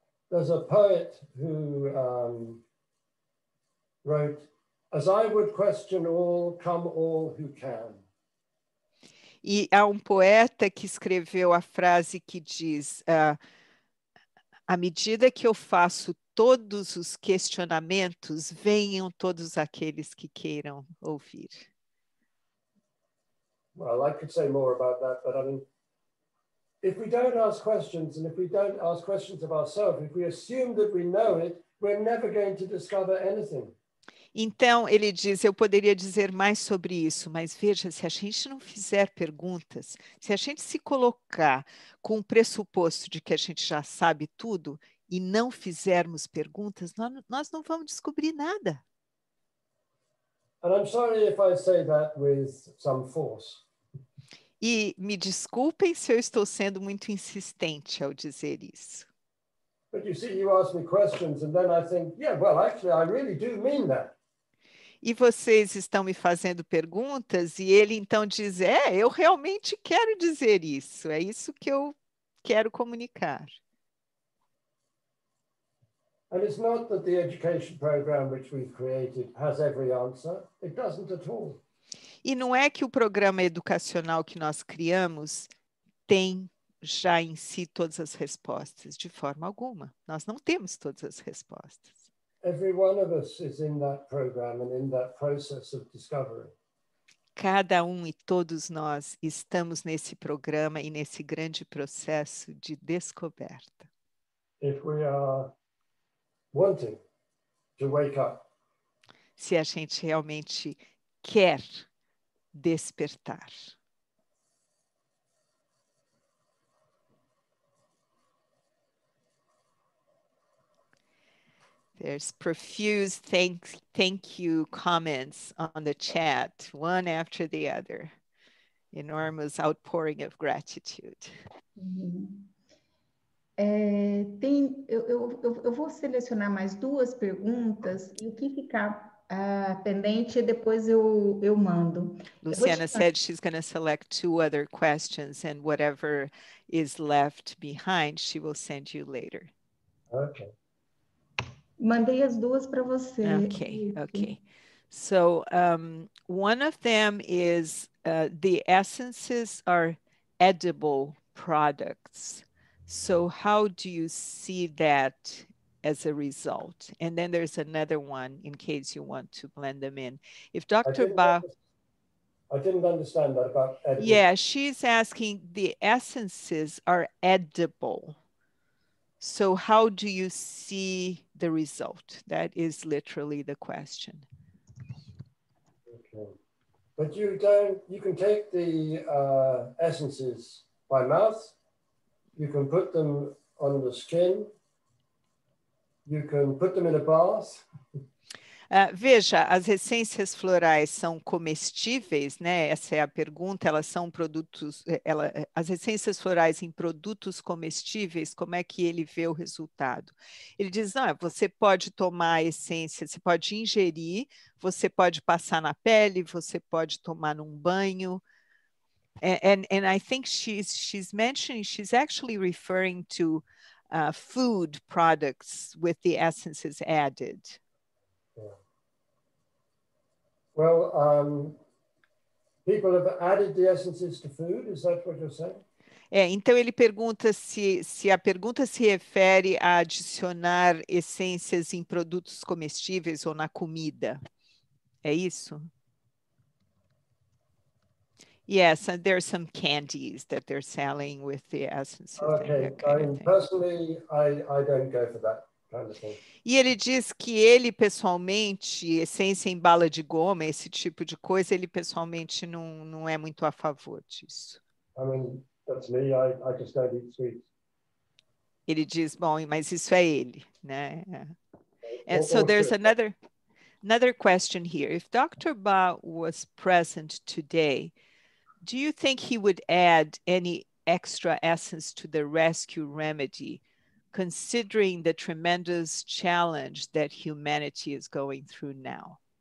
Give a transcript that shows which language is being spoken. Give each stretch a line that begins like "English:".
English: There's a poet who wrote, as I would question all, come all who can.
Portuguese: E há um poeta que escreveu a frase que diz, à medida que eu faço todos os questionamentos, venham todos aqueles que queiram ouvir.
English: Well, I could say more about that, but I mean, if we don't ask questions, and if we don't ask questions of ourselves, if we assume that we know it, we're never going to discover anything.
Portuguese: Então, ele diz, eu poderia dizer mais sobre isso, mas veja, se a gente não fizer perguntas, se a gente se colocar com o pressuposto de que a gente já sabe tudo e não fizermos perguntas, nós não vamos descobrir nada.
English: And I'm sorry if I say that with some force.
Portuguese: E me desculpem se eu estou sendo muito insistente ao dizer isso.
English: But you see, you ask me questions and then I think, yeah, well, actually, I really do mean that.
Portuguese: E vocês estão me fazendo perguntas e ele então diz, é, eu realmente quero dizer isso, é isso que eu quero comunicar.
English: And it's not that the education program which we've created has every answer, it doesn't at all.
Portuguese: E não é que o programa educacional que nós criamos tem já em si todas as respostas, de forma alguma. Nós não temos todas as respostas.
English: Every one of us is in that program and in that process of discovery.
Portuguese: Cada e todos nós estamos nesse programa e nesse grande processo de descoberta.
English: If we are wanting to wake up.
Portuguese: Se a gente realmente quer despertar.
English: There's profuse thank you comments on the chat, one after the other. Enormous outpouring of gratitude.
Portuguese: Eu vou selecionar mais duas perguntas e o que ficar pendente depois eu mando.
English: Luciana said she's going to select two other questions and whatever is left behind, she will send you later. Okay.
Portuguese: Mandei as duas para você.
English: Okay. So, one of them is the essences are edible products. So, how do you see that as a result? And then there's another one in case you want to blend them in. If Dr. Ba. I didn't understand that about edible. Yeah, she's asking the essences are edible. So how do you see the result? That is literally the question. Okay. But you can take the essences by mouth, you can put them on the skin, you can put them in a bath.
Portuguese: Veja, as essências florais são comestíveis, né? Essa é a pergunta, elas são produtos, as essências florais em produtos comestíveis, como é que ele vê o resultado? Ele diz, não, você pode tomar a essência, você pode ingerir, você pode passar na pele, você pode tomar num banho.
English: And I think she's mentioning, she's actually referring to food products with the essences added. Well, people have added the essences to food. Is that what you're saying?
Portuguese: Então ele pergunta se a pergunta se refere a adicionar essências em produtos comestíveis ou na comida. É isso?
English: Yes, and there are some candies that they're selling with the essences. Okay, personally, I don't go for that.
Portuguese: E ele diz que ele pessoalmente, essência em bala de goma, esse tipo de coisa, ele pessoalmente não é muito a favor disso.
English: I mean, that's me. I just don't eat sweets.
Portuguese: Ele diz, bom, mas isso é ele, né?
English: And so there's another question here. If Dr. Ba was present today, do you think he would add any extra essence to the rescue remedy, considering the tremendous challenge that humanity is going through now?